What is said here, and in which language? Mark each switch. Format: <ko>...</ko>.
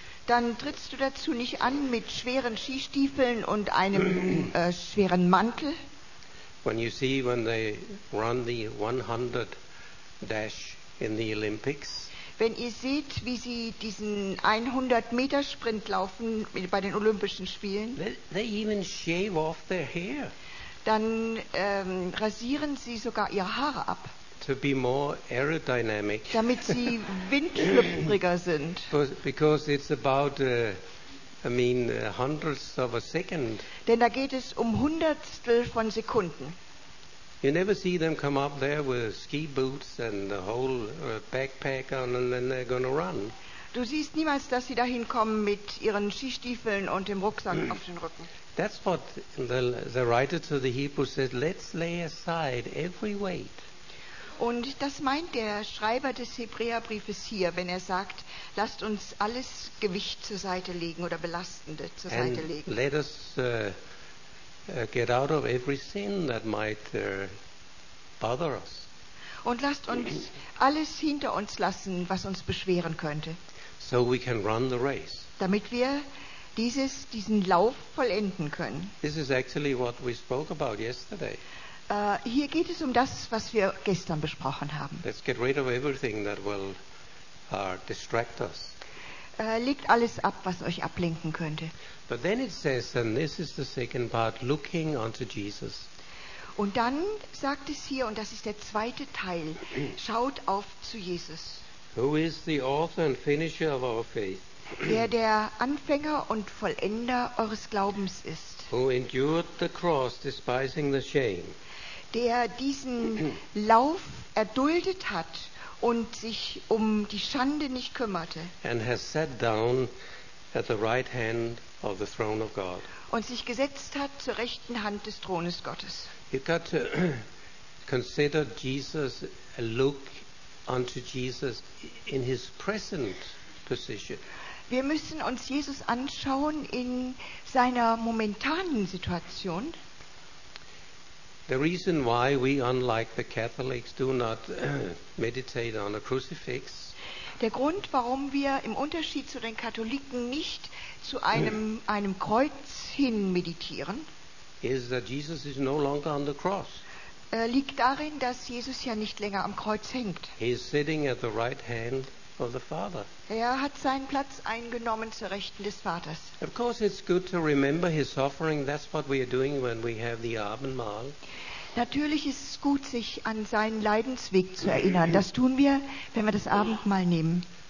<de>Dann trittst du dazu nicht an mit schweren Skistiefeln und einem schweren Mantel.</de> <en>When you see when they run the 100 dash in the Olympics.</en> <de>Wenn ihr seht, wie sie diesen 100-Meter-Sprint laufen bei den Olympischen Spielen,</de> <en>they even shave off their hair.</en> <de>Dann rasieren sie sogar ihre Haare ab.</de> <en>To be more aerodynamic.</en> <de>Damit sie windschlüpfriger sind.</de> <en>Because it's about, hundredths of a second.</en> <de>Denn da geht es um Hundertstel von Sekunden.</de> <en>You never see them come up there with ski boots and the whole backpack on, and then they're going to run.</en> <de>Du siehst niemals, dass sie dahin kommen mit ihren Skistiefeln und dem Rucksack auf den Rücken.</de> <en>That's what the writer to the Hebrews said. Let's lay aside every weight.</en> <de>Und das meint der Schreiber des Hebräerbriefes hier, wenn er sagt: Lasst uns alles Gewicht zur Seite legen oder Belastende zur</de> <en>and</en> <de>Seite legen.</de> <en>And let us get out of every sin that might bother us.</en> <de>Und lasst uns alles hinter uns lassen, was uns beschweren könnte.</de> <en>So we can run the race.</en> <de>Damit wir diesen Lauf vollenden können.</de> <en>This is actually what we spoke about yesterday.</en> <de>Hier geht es um das, was wir gestern besprochen haben.</de> <en>Let's get rid of everything that will distract us.</en> <de>Legt alles ab, was euch ablenken könnte.</de> <en>But then it says, and this is the second part, looking unto Jesus.</en> <de>Und dann sagt es hier, und das ist der zweite Teil, schaut auf zu Jesus.</de> <en>Who is the author and finisher of our faith?</en> <de>Wer der Anfänger und Vollender eures Glaubens ist.</de> <en>Who endured the cross, despising the shame.</en> <de>Der diesen Lauf erduldet hat und sich um die Schande nicht kümmerte.</de> <en>And has sat down at the right hand of the throne of God.</en> <de>Und sich gesetzt hat zur rechten Hand des Thrones Gottes.</de> <en>You've got to consider Jesus, look unto Jesus in his present position.</en> <de>Wir müssen uns Jesus anschauen in seiner momentanen Situation.</de> <en>The reason why we, unlike the Catholics, do not meditate on a crucifix.</en> <de>Der Grund, warum wir im Unterschied zu den Katholiken nicht zu einem Kreuz hin meditieren,</de> <en>is that Jesus is no longer on the cross.</en> <de>Liegt darin, dass Jesus ja nicht länger am Kreuz hängt.</de> <en>He is sitting at the right hand of the Father.</en> <de>Er hat seinen Platz eingenommen zur Rechten des Vaters.</de> <en>Of course it's good to remember his suffering. That's what we are doing when we have the Abendmahl.</en> <de>Natürlich ist es gut, sich an seinen Leidensweg zu erinnern. Das tun wir, wenn wir das Abendmahl nehmen.</de>